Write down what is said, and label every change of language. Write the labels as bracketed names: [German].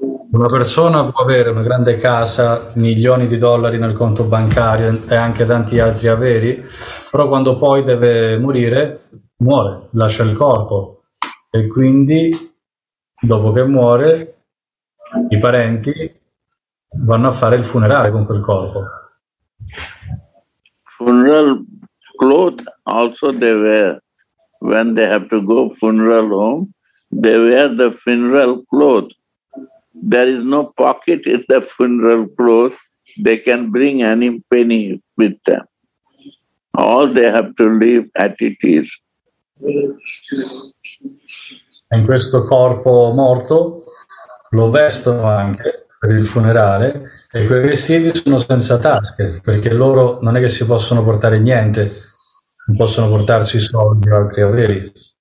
[Italian] Una persona può avere una grande casa, milioni di dollari nel conto bancario e anche tanti altri averi, però quando poi deve morire, muore, lascia il corpo e quindi dopo che muore i parenti vanno a fare il funerale con quel corpo. [English] Funeral clothes also they wear when they have to go funeral home. They wear the funeral clothes. There is no pocket in the funeral clothes. They can bring any penny with them. All they have to leave at it is. [Italian] In questo corpo morto lo vestono anche per il funerale e quei vestiti sono senza tasche perché loro non è che si possono portare niente, non possono portarsi soldi o altri averi.